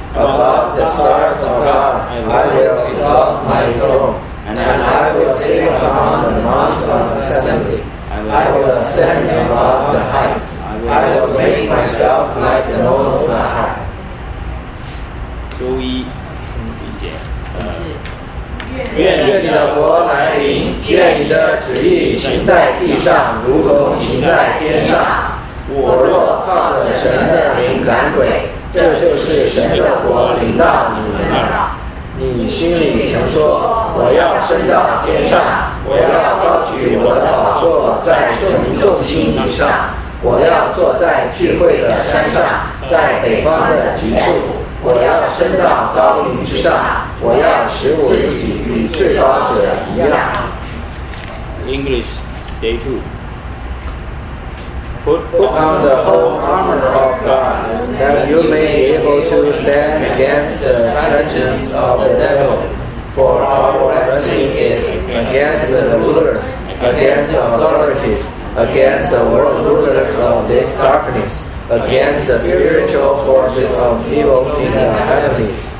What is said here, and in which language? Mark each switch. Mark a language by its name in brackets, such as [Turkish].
[English] Above the stars of God, I will exalt my throne, and I will sit upon the mount of assembly. I will ascend above the heights. I will make myself like the Most High. [Chinese] 周一，听节。愿你的国来临，愿你的旨意行在地上，如同行在天上。我若靠着神的灵赶鬼，这就是神的国临到你们那儿。你心里曾说，我要升到天上，我要高举我的宝座在神众星以上，我要坐在聚会的山上，在北方的极处，我要升到高云之上，我要使我自己与至高者一样。 [English] English Day 2 Put on the whole armor of God, that you may be able to stand against the strategies of the devil. For our wrestling is against the rulers, against the authorities, against the world rulers of this darkness, against the spiritual forces of evil in the heavens.